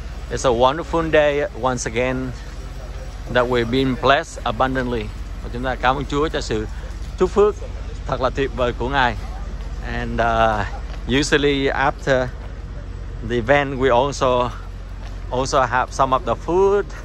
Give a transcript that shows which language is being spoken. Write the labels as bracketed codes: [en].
[en] It's a wonderful day once again that we've been blessed abundantly. [vi] Và chúng ta cảm ơn Chúa cho sự chúc phước thật là tuyệt vời của Ngài. [en] And usually after the event, we also have some of the food.